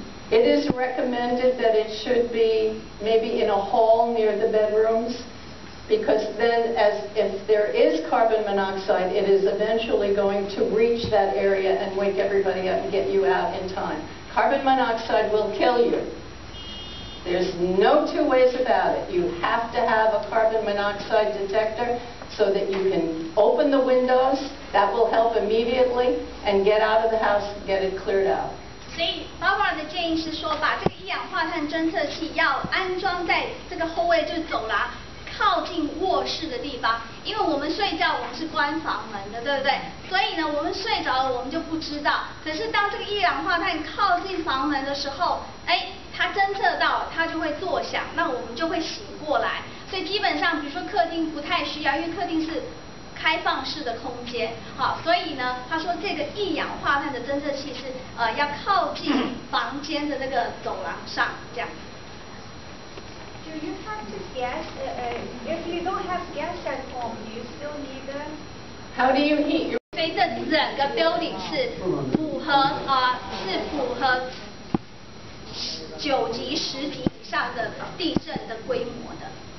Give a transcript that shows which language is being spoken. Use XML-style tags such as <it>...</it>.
<en>It is recommended that it should be maybe in a hall near the bedrooms, because then if there is carbon monoxide, it is eventually going to reach that area and wake everybody up and get you out in time. Carbon monoxide will kill you. There's no two ways about it. You have to have a carbon monoxide detector so that you can open the windows. That will help immediately and get out of the house and get it cleared out.</en> <zh>所以 Barbara 的建议是说，把这个一氧化碳侦测器要安装在这个后卫，就是走廊靠近卧室的地方，因为我们睡觉我们是关房门的，对不对？所以呢，我们睡着了我们就不知道。可是当这个一氧化碳靠近房门的时候，哎，它侦测到它就会作响，那我们就会醒过来。所以基本上，比如说客厅不太需要，因为客厅是开放式的空间，好，所以呢，他说这个一氧化碳的侦测器是要靠近房间的那个走廊上，这样。</zh> <en>Do you have to gas? If you don't have gas at home, you still need them? How do you heat your?</en> <zh>所以这整个 building 是符合是符合9级、10级以上的地震的规模的。</zh>